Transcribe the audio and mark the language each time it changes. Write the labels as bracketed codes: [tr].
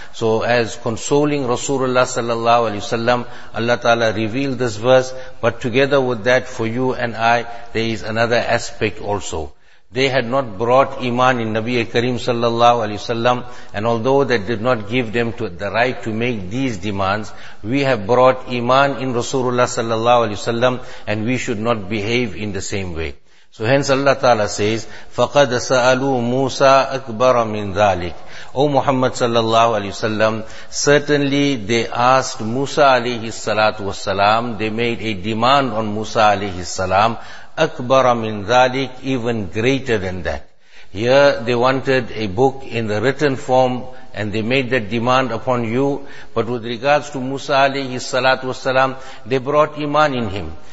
[en] So as consoling Rasulullah sallallahu alayhi wa sallam, Allah ta'ala revealed this verse, but together with that, for you and I, there is another aspect also. They had not brought Iman in Nabi Kareem sallallahu alayhi wa sallam, and although that did not give them to the right to make these demands, we have brought Iman in Rasulullah sallallahu alayhi wa sallam, and we should not behave in the same way. So hence Allah Ta'ala says, [ar] فَقَدَ سَأَلُوا مُوسَىٰ أَكْبَرَ مِنْ ذَٰلِكَ. [en] O Muhammad sallallahu alayhi wa sallam, certainly they asked Musa alayhi salatu wa sallam, they made a demand on Musa alayhi salam, [ar] أَكْبَرَ مِنْ ذَٰلِكَ, [en] even greater than that. Here they wanted a book in the written form, and they made that demand upon you, but with regards to Musa alayhi salatu wa sallam, they brought Iman in him.